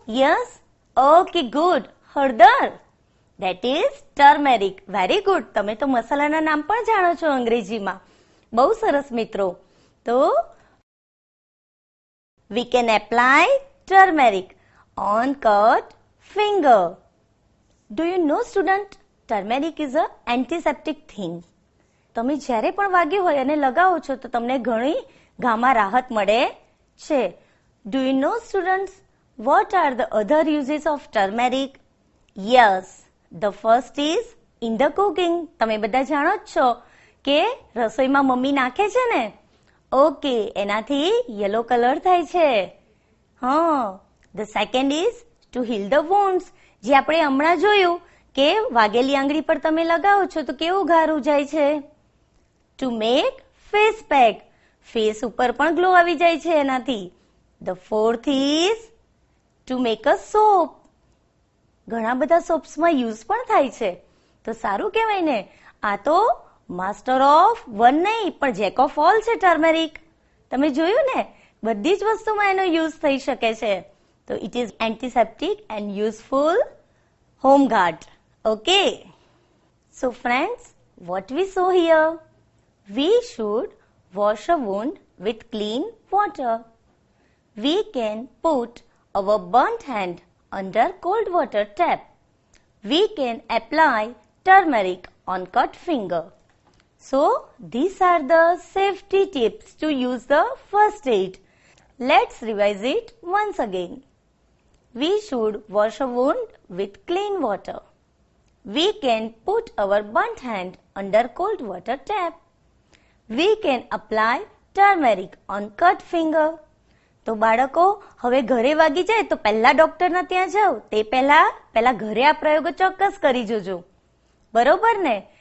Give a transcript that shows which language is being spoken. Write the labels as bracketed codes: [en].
[en] Yes, okay, good, હળદર, that is turmeric. [gu] Very good, તમે તો મસાલાના નામ પણ જાણો છો અંગ્રેજીમાં. બહુ સરસ મિત્રો. તો [en] We can apply turmeric on cut finger. Do you know student, turmeric is a antiseptic thing. [gu] તમે જ્યારે પણ વાગ્યું હોય અને લગાવો છો તો તમને ઘણી ઘામાં રાહત મળે છે. [en] Do you know students, what are the other uses of turmeric? Yes, the first is in the cooking. [gu] તમે બધા જાણો જ છો કે રસોઈમાં મમ્મી નાખે છે ને? ઓકે, એનાથી યલો કલર થાય છે. [en] હા, the second is to heal the wounds. [gu] જે આપણે હમણાં જોયું કે વાગેલી આંગળી પર તમે લગાવો છો તો કેવું ઘારું જાય છે. [en] To make face pack. [gu] Face ઉપર પણ ગ્લો આવી જાય છે એનાથી. [en] The fourth is to make a soap. [gu] ઘણા બધા સોપ્સમાં યુઝ પણ થાય છે. તો સારું કહેવાય ને, આ તો [en] master of one [gu] નહીં પણ [en] jack of all [gu] છે ટર્મેરિક. તમે જોયું ને, બધી જ વસ્તુમાં એનો યુઝ થઈ શકે છે. [en] So it is antiseptic and useful home guard. Okay. So friends, what we saw here? We should wash a wound with clean water. We can put our burnt hand under cold water tap. We can apply turmeric on cut finger. So these are the safety tips to use the first aid. Let's revise it once again. We should wash a wound with clean water. We can put our burnt hand under cold water tap. We can apply turmeric on cut finger. [gu] તો બાળકો, હવે ઘરે વાગી જાય તો પહેલા doctor ના ત્યાં જાઓ, તે પહેલા ઘરે આ પ્રયોગ ચોક્કસ કરી જોજો, બરોબર ને?